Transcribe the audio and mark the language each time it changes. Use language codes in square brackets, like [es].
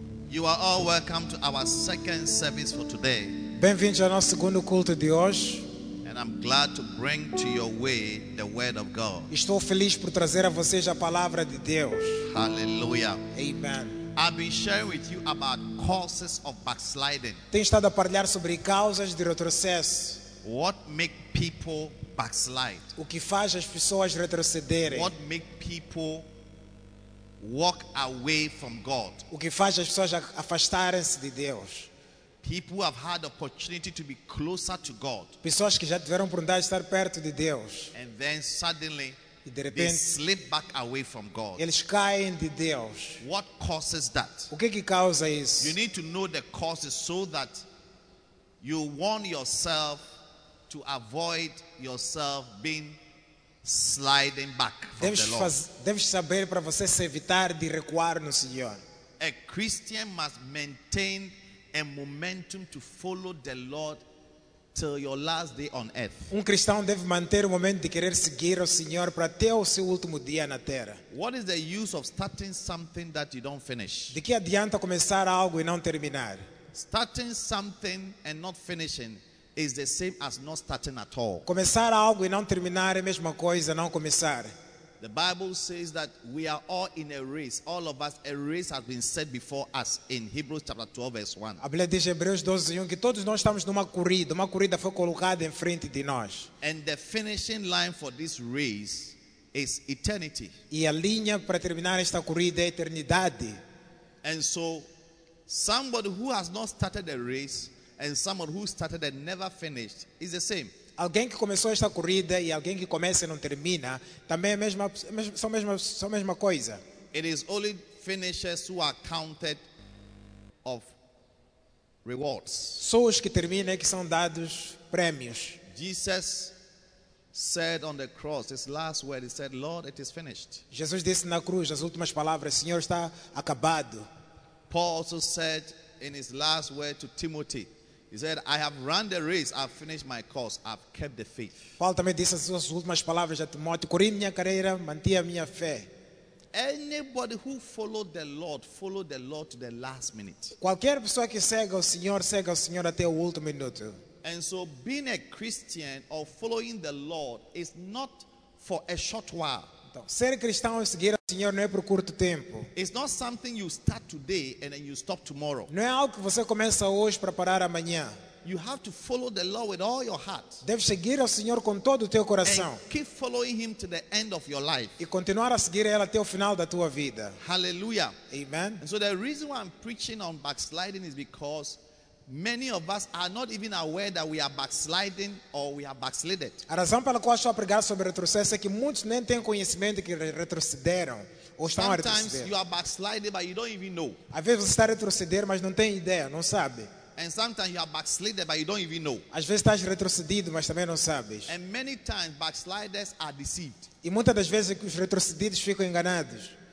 [en] You are all welcome to our second service for today. [pt] Bem-vindos ao nosso segundo culto de hoje. [en] And I'm glad to bring to your way the word of God. [pt] Estou feliz por trazer a vocês a palavra de Deus. Hallelujah. Amen. [en] I've been sharing with you about causes of backsliding. [pt] Tenho estado a partilhar sobre causas de retrocesso. [en] What make people backslide? [pt] O que faz as pessoas retrocederem? [en] What make people walk away from God? [pt] O que faz as pessoas afastarem-se de Deus? [en] People have had the opportunity to be closer to God. [pt] Pessoas que já tiveram oportunidade de estar perto de Deus. [en] And then suddenly, [pt] e de repente, [en] they slip back away from God. [pt] Eles caem de Deus. [en] What causes that? [pt] O que causa isso? [en] You need to know the causes so that you warn yourself to avoid yourself being sliding back from [pt] deves [en] the Lord. [pt] Deves saber para você se evitar de recuar no Senhor. [en] A Christian must maintain a momentum to follow the Lord till your last day on earth. [pt] Um cristão deve manter o momento de querer seguir o Senhor para até o seu último dia na terra. [en] What is the use of starting something that you don't finish? [pt] De que adianta começar algo e não terminar? [en] Starting something and not finishing is the same as not starting at all. [pt] Começar algo e não terminar é a mesma coisa, não começar. [en] The Bible says that we are all in a race. All of us, a race has been set before us in Hebrews chapter 12, verse 1. [pt] A Bíblia diz em Hebreus 12, 1, que todos nós estamos numa corrida. Uma corrida foi colocada em frente de nós. [en] And the finishing line for this race is eternity. [pt] E a linha para terminar esta corrida é eternidade. [en] And so, somebody who has not started a race and someone who started and never finished is the same. [pt] Alguém que começou esta corrida e alguém que começa e não termina, também é a mesma coisa. [en] It is only finishers who are counted of rewards. [pt] Pessoas que terminam que são dados prêmios. [en] Jesus said on the cross, his last word, he said, Lord, it is finished. [pt] Jesus disse na cruz as últimas palavras, Senhor, está acabado. [en] Paul also said in his last word to Timothy, he said, I have run the race, I've finished my course, I've kept the faith. [pt] Paulo também disse as suas últimas palavras a Timóteo, corri minha carreira, mantive a minha fé. [en] Anybody who followed the Lord, followed the Lord to the last minute. [pt] Qualquer pessoa que segue o Senhor até o último minuto. [en] And so being a Christian or following the Lord is not for a short while. [pt] Então, ser cristão e seguir o Senhor não é por curto tempo. [en] It's not something you start today and then you stop tomorrow. [pt] Não é algo que você começa hoje para parar amanhã. [en] You have to follow the Lord with all your heart. [pt] Deve seguir o Senhor com todo o teu coração. [en] And keep following him to the end of your life. [pt] E continuar a seguir ele até o final da tua vida. Hallelujah. Amen. [en] And so the reason why I'm preaching on backsliding is because many of us are not even aware that we are backsliding or we are backslided. [pt] A razão pela qual estou a pregar sobre retrocesso é que muitos nem têm conhecimento que retrocederam ou estão a retroceder. [en] Sometimes you are backsliding but you don't even know. [pt] Às vezes você está a retroceder, mas não tem ideia, não sabe. [en] And sometimes you are backslided but you don't even know. [pt] Às vezes estás retrocedido, mas também não sabes. [en] And many times backsliders are deceived. [pt] E muitas das vezes os retrocedidos ficam enganados.